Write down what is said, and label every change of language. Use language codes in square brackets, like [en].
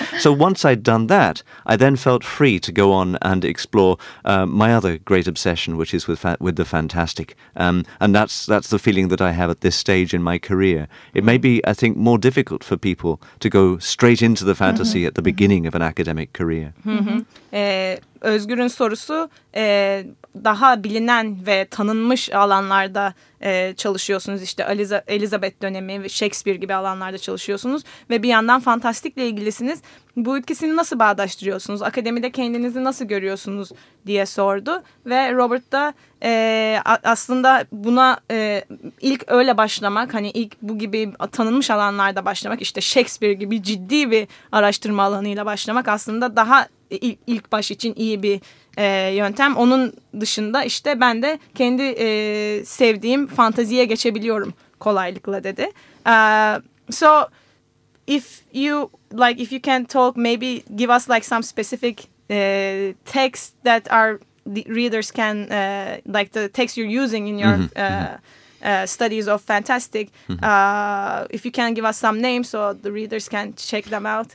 [en] So once I'd done that, I then felt free to go on and explore my other great obsession, which is with the fantastic. And that's the feeling that I have at this stage in my career. It may be, I think, more difficult for people to go straight into the fantasy at the beginning of an academic career. [tr] Özgür'ün sorusu daha bilinen ve tanınmış alanlarda çalışıyorsunuz. İşte Elizabeth dönemi ve Shakespeare gibi alanlarda çalışıyorsunuz. Ve bir yandan fantastikle ilgilisiniz. Bu ikisini nasıl bağdaştırıyorsunuz? Akademide kendinizi nasıl görüyorsunuz diye sordu. Ve Robert da aslında buna ilk öyle başlamak, hani ilk bu gibi tanınmış alanlarda başlamak, işte Shakespeare gibi ciddi bir araştırma alanıyla başlamak aslında daha ilk baş için iyi bir yöntem. Onun dışında işte ben de kendi sevdiğim fanteziye geçebiliyorum kolaylıkla dedi. [en] So if you can talk, maybe give us like some specific texts that our readers can like the texts you're using in your studies of fantastic. If you can give us some names so the readers can check them out.